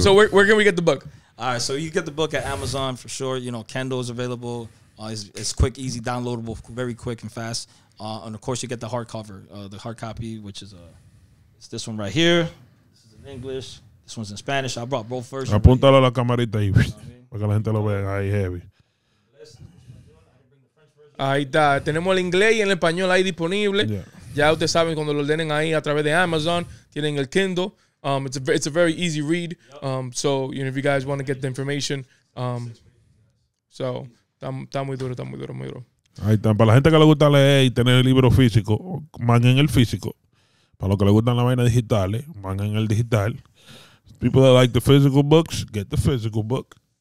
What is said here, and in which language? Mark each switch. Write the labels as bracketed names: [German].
[English] So where can we get the book? All right, so you get the book at Amazon for sure. You know, Kindle is available. It's quick, easy, downloadable, very quick and fast. And, of course, you get the hardcover, the hard copy, which is it's this one right here. This is in English. This one's in Spanish. I brought both versions. [Spanish] Apúntalo right a la camarita ahí, porque la gente lo vea ahí heavy. Ahí está. Tenemos el inglés y el español ahí disponible. Ya ustedes saben cuando lo ordenen ahí a través de Amazon, tienen el Kindle. [English] It's a very easy read. So, you know, if you guys want to get the information. [Spanish] So, está muy duro. Ahí está. Para la gente que le gusta leer y tener el libro físico, manguen el físico. Para los que le gustan la vaina digital, manguen el digital. [English] People that like the physical books, get the physical book.